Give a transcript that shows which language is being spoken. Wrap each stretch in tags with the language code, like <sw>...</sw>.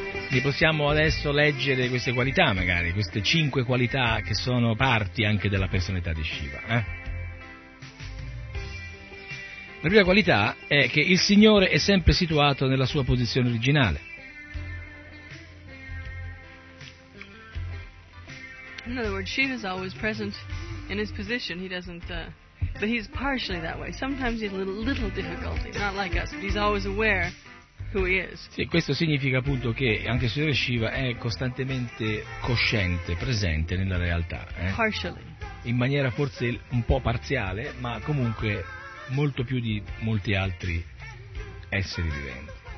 <it>Li possiamo adesso leggere queste qualità, magari, queste 5 qualità che sono parti anche della personalità di Shiva. La prima qualità è che il Signore è sempre situato nella sua posizione originale.</it> <en>In other words, Shiva is always present in his position. He doesn't, but he's partially that way. Sometimes he's a little difficulty, not like us, but he's always aware who he is.</en> <it>Sì, questo significa appunto che anche il Signore Shiva è costantemente cosciente, presente nella realtà.</it> <en>Partially.</en> <it>In maniera forse un po' parziale, ma comunque molto più di molti altri esseri viventi.</it>